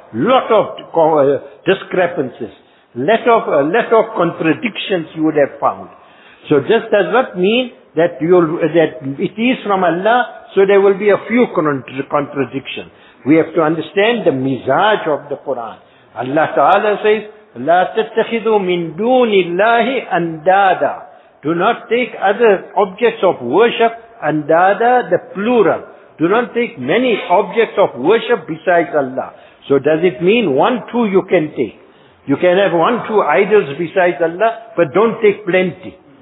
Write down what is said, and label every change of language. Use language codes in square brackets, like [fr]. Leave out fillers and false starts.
[en] Lot of discrepancies. Lot of contradictions you would have found. So this does not mean that that it is from Allah, so there will be a few contradictions. We have to understand the mizaj of the Quran. Allah Ta'ala says, [ar] لا تتخذوا من دون الله أندادا. [en] Do not take other objects of worship, أندادا, the plural. Do not take many objects of worship besides Allah. So does it mean one, two you can take? You can have one, two idols besides Allah, but don't take plenty.